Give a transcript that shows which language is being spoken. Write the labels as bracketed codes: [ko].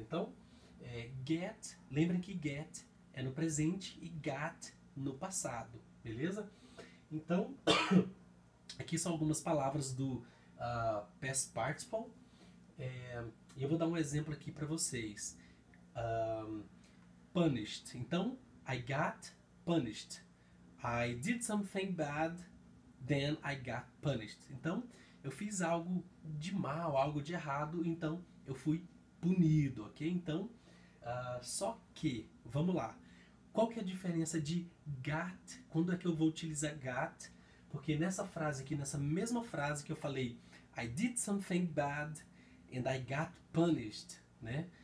[pt] Então, get, lembra que get é no presente e got no passado, beleza? Então, aqui são algumas palavras do past participle. Eu vou dar um exemplo aqui para vocês. [en] Punished. [pt] Então, [en] I got punished. I did something bad, then I got punished. [pt] Então, eu fiz algo de mal, algo de errado, então eu fui punido, ok? Então, só que, vamos lá. Qual que é a diferença de got? Quando é que eu vou utilizar got? Porque nessa frase aqui, nessa mesma frase que eu falei, [en] I did something bad and I got punished, [pt] né?